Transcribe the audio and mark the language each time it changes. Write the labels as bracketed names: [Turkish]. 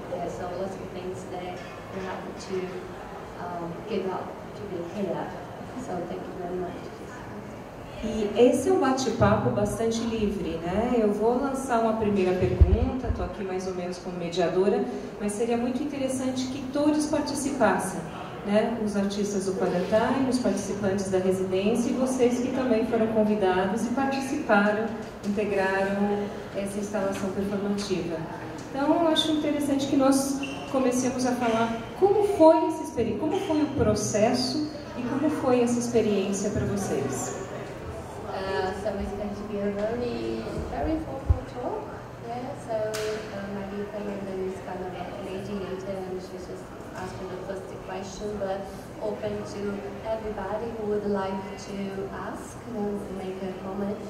[English] Yeah, so lots of things that you have to give up to be here. So thank you very much. [Portuguese] E esse é um bate-papo bastante livre, né? Eu vou lançar uma primeira pergunta, estou aqui mais ou menos como mediadora, mas seria muito interessante que todos participassem, né? Os artistas do Quarantine, os participantes da residência e vocês que também foram convidados e participaram, integraram essa instalação performativa. Então, eu acho interessante que nós comecemos a falar como foi essa experiência, como foi o processo e como foi essa experiência para vocês. [English] So it's going to be a very, very formal talk. Yeah. So my dear friend is kind of a mediator, and she's just asking the first question, but open to everybody who would like to ask and make a comment.